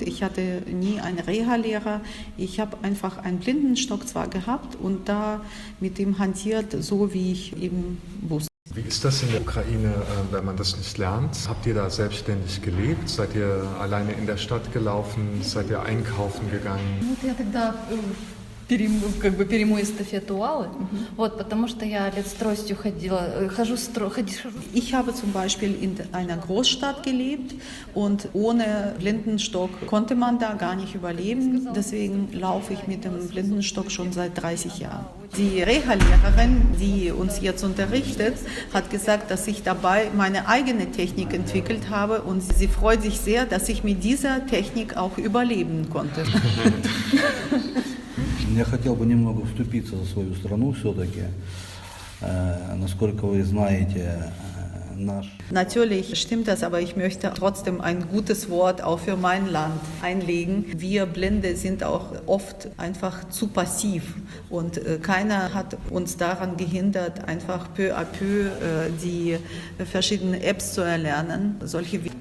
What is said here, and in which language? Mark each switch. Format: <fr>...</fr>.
<de>Ich hatte nie einen Reha-Lehrer. Ich habe einfach einen Blindenstock zwar gehabt und da mit dem hantiert, so wie ich eben wusste. Wie ist das in der Ukraine, wenn man das nicht lernt? Habt ihr da selbstständig gelebt? Seid ihr alleine in der Stadt gelaufen? Seid ihr einkaufen gegangen?</de> <ru>Как бы перейму эстафету Аллы, вот, потому что я лет с тростью ходила, хожу с тростью.</ru> <de>Ich habe zum Beispiel in einer Großstadt gelebt und ohne Blindenstock konnte man da gar nicht überleben. Deswegen laufe ich mit dem Blindenstock schon seit 30 Jahren. Die Reha-Lehrerin, die uns jetzt unterrichtet, hat gesagt, dass ich dabei meine eigene Technik entwickelt habe und sie freut sich sehr, dass ich mit dieser Technik auch überleben konnte.</de> <ru>Я хотел бы немного вступиться за свою страну все-таки. Насколько вы знаете, наш.</ru> <de>Natürlich stimmt das, aber ich möchte trotzdem ein gutes Wort auch für mein Land einlegen. Wir Blinde sind auch oft einfach zu passiv und keiner hat uns daran gehindert, einfach peu à peu die verschiedenen Apps zu erlernen, solche wie</de>